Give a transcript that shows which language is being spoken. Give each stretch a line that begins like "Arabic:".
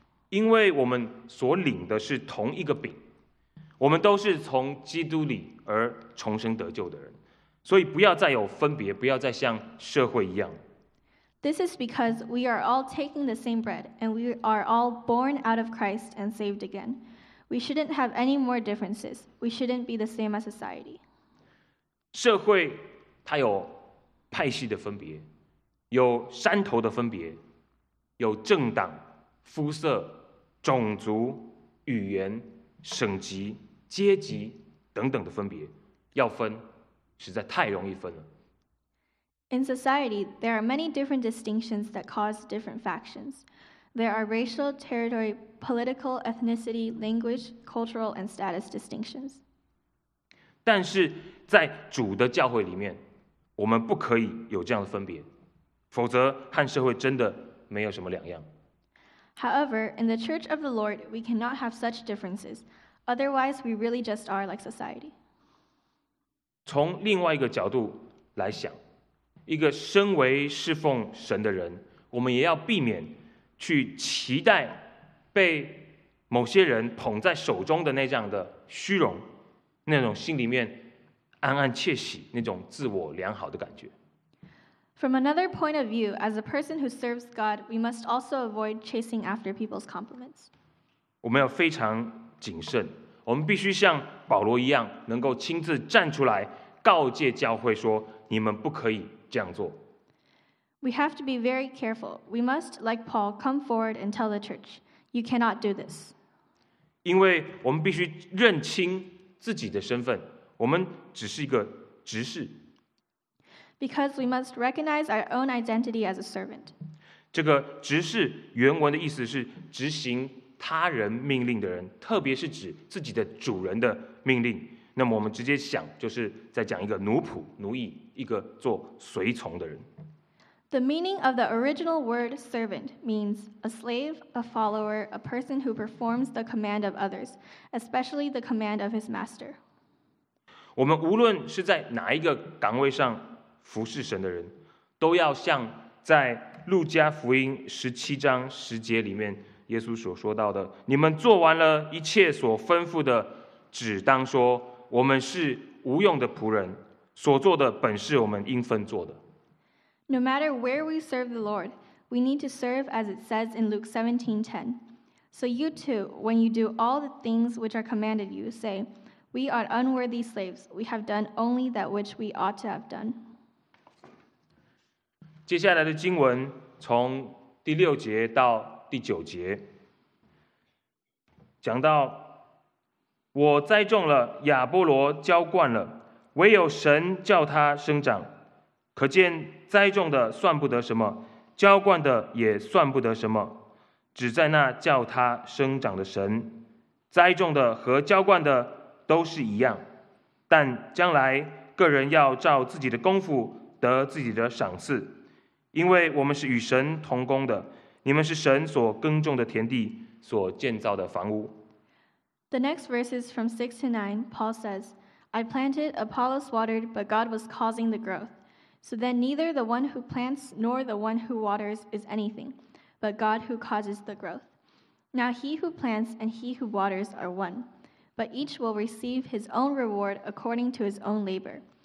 Chinese: 因为我们所领的是同一个饼，我们都是从基督里而重生得救的人，所以不要再有分别，不要再像社会一样。
English: This is because we are all taking the same bread, and we are all born out of Christ and saved again. We shouldn't have any more differences. We shouldn't be the same as society.
Chinese: 社会它有派系的分别，有山头的分别，有政党、肤色、种族、语言、省级、阶级等等的分别，要分实在太容易分了。
English: In society, there are many different distinctions that cause different factions. There are racial, territory, political, ethnicity, language, cultural, and status distinctions.
Chinese: 但是在主的教会里面，我们不可以有这样的分别，否则和社会真的没有什么两样。
English: However, in the Church of the Lord, we cannot have such differences. Otherwise, we really just are like society.
Chinese: 从另外一个角度来想，一个身为侍奉神的人，我们也要避免去期待被某些人捧在手中的那样的虚荣，那种心里面暗暗窃喜，那种自我良好的感觉。
English: From another point of view, as a person who serves God, we must also avoid chasing after people's compliments.
Chinese: 我们要非常谨慎，我们必须像保罗一样，能够亲自站出来告诫教会说，你们不可以这样做。
English: We have to be very careful. We must, like Paul, come forward and tell the church, you cannot do this.
Chinese: 因为我们必须认清自己的身份，我们只是一个执事。
English: Because we must recognize our own identity as a servant.
Chinese: 这个执事原文的意思是执行他人命令的人，特别是指自己的主人的命令。那么我们直接想，就是在讲一个奴仆、奴役，一个做随从的人。
English: The meaning of the original word servant means a slave, a follower, a person who performs the command of others, especially the command of his master.
Chinese: 我们无论是在哪一个岗位上服侍神的人，都要像在路加福音十七章十节里面耶稣所说到的，你们做完了一切所吩咐的，只当说，我们是无用的仆人，所做的本是我们应分做的。
English: No matter where we serve the Lord, we need to serve as it says in Luke 17:10. So you too, when you do all the things which are commanded you, say, we are unworthy slaves, we have done only that which we ought to have done.
Chinese: 接下来的经文从第六节到第九节讲到，我栽种了，亚波罗浇灌了，唯有神叫他生长。可见栽种的算不得什么，浇灌的也算不得什么，只在那叫他生长的神。栽种的和浇灌的都是一样，但将来个人要照自己的功夫得自己的赏赐。因为我们是与神同工的，你们是神所耕种的田地，所建造的房屋。
English: The next verses from 6 to 9, Paul says, I planted, Apollos watered, but God was causing the growth. So then neither the one who plants nor the one who waters is anything, but God who causes the growth. Now he who plants and he who waters are one, but each will receive his own reward according to his own labor.